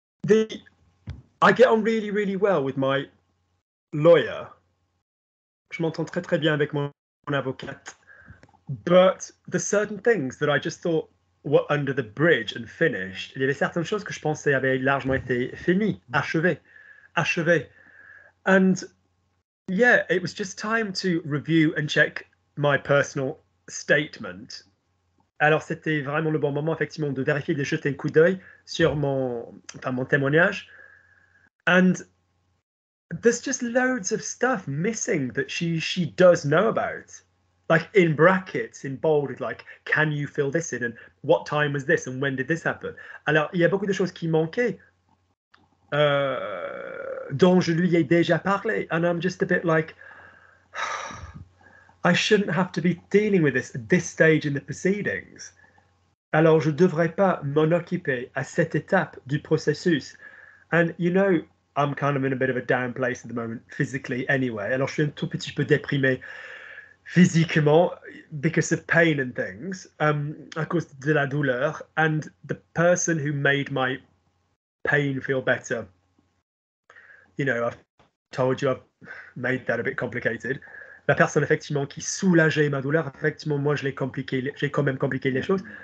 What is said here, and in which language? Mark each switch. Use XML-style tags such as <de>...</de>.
<en>I get on really, really well with my lawyer.</en> <fr>Je m'entends très, très bien avec mon avocate.</fr> <en>But there's certain things that I just thought were under the bridge and finished.</en> <fr>Il y avait certaines choses que je pensais avaient largement été finies, achevées.</fr> <en>And yeah, it was just time to review and check my personal statement.</en> <fr>Alors c'était vraiment le bon moment, effectivement, de vérifier, de jeter un coup d'œil sur mon témoignage.</fr> <en>And there's just loads of stuff missing that she does know about. Like in brackets, in bold, like, can you fill this in? And what time was this? And when did this happen?</en> <fr>Alors, il y a beaucoup de choses qui manquaient, dont je lui ai déjà parlé.</fr> <en>And I'm just a bit like, I shouldn't have to be dealing with this at this stage in the proceedings.</en> <fr>Alors, je ne devrais pas m'en occuper à cette étape du processus.</fr> <en>And, you know, I'm kind of in a bit of a down place at the moment, physically, anyway.</en> <fr>Alors, je suis un tout petit peu déprimé physiquement</fr> <en>because of pain and things,</en> <fr>à cause de la douleur.</fr> <en>And the person who made my pain feel better, you know, I've told you I've made that a bit complicated.</en> <fr>La personne, effectivement, qui soulageait ma douleur, effectivement, moi, je l'ai compliqué, j'ai quand même compliqué les choses.</fr>